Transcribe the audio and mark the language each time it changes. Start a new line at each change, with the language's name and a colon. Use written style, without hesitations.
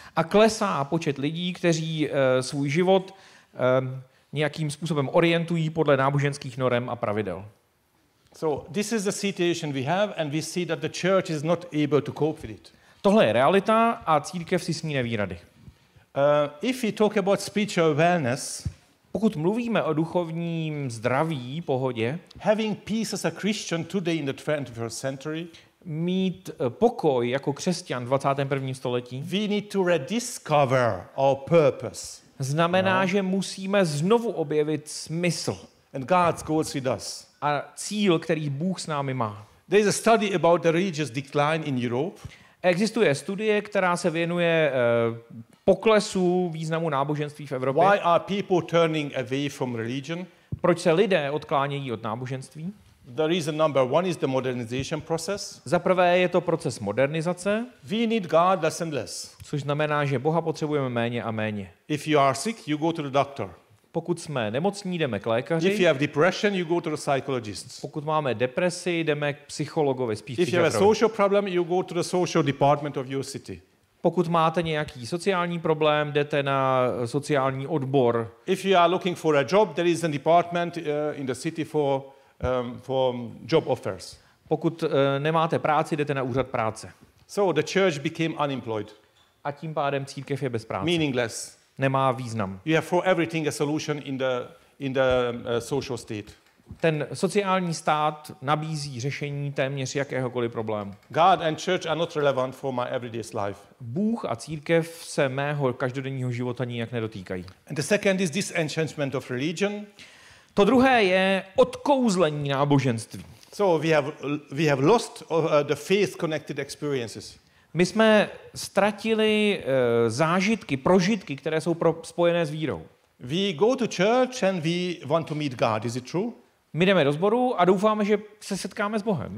Czech: A klesá počet lidí, kteří svůj život nějakým způsobem orientují podle náboženských norem a pravidel.
English: So this is the situation we have and we see that the church is not able to cope with it.
Czech: Tohle je realita a církev si s ní neví rady.
English: If we talk about spiritual wellness,
Czech: pokud mluvíme o duchovním zdraví, pohodě,
English: having peace as a Christian today in the 21st century,
Czech: mít pokoj jako křesťan v 21. století,
English: we need to rediscover our purpose.
Czech: Znamená, že musíme znovu objevit smysl.
English: And God's goals with us.
Czech: A cíl, který Bůh s námi má.
English: There is a study about the religious decline in Europe.
Czech: Existuje studie, která se věnuje poklesu významu náboženství v Evropě.
English: Why are people turning away from religion?
Czech: Proč se lidé odklánějí od náboženství?
English: The reason number one is the modernization process.
Czech: Za prvé je to proces modernizace.
English: We need God less and less.
Czech: Což znamená, že Boha potřebujeme méně a méně.
English: If you are sick, you go to the doctor.
Czech: Pokud jsme nemocní, jdeme k lékaři.
English: If you have depression, you go to the psychologist.
Czech: Pokud máme depresi, jdeme k psychologovi, spíš psychiatrovi.
English: If you have a social problem, you go to the social department of your city.
Czech: Pokud máte nějaký sociální problém, jdete na sociální odbor.
English: If you are looking for a job, there is a department in the city for job offers.
Czech: Pokud nemáte práci, jdete na úřad práce.
English: So the church became unemployed.
Czech: A tím pádem církev je bez práce.
English: Meaningless.
Czech: Nemá význam.
English: You have for everything a solution in the social state.
Czech: Ten sociální stát nabízí řešení téměř jakéhokoliv problému.
English: God and church are not relevant for my everyday life.
Czech: Bůh a církev se mého každodenního života nijak nedotýkají.
English: And the second is disenchantment of religion.
Czech: To druhé je odkouzlení náboženství.
English: So we have lost the faith connected experiences.
Czech: My jsme ztratili zážitky, prožitky, které jsou spojené s vírou.
English: We go to church and we want to meet God, is it true?
Czech: My jdeme do sboru a doufáme, že se setkáme s Bohem.